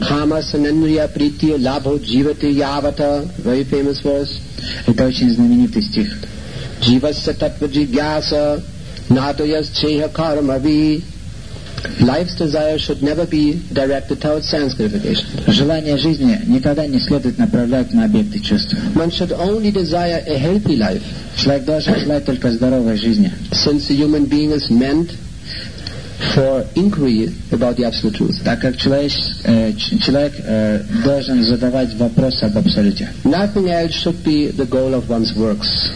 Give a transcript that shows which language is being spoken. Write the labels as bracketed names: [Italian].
[Sanskrit] Хама санандрия прития лабхо дживати явата. [English] Very famous verse. [Russian] Это очень знаменитый стих. [Sanskrit] Дживасса татва джигьяса натояс чеха кармави. [English] Life's desire should never be directed towards sense gratification. [Russian] Желание жизни никогда не следует направлять на объекты чувств. [English] One should only desire a healthy life. [Russian] Человек должен желать только здоровой жизни. [English] Since a human being is meant for inquiry about the absolute truth. [Russian] Так как человек должен задавать вопросы об абсолюте. [English] Nothing else should be the goal of one's works.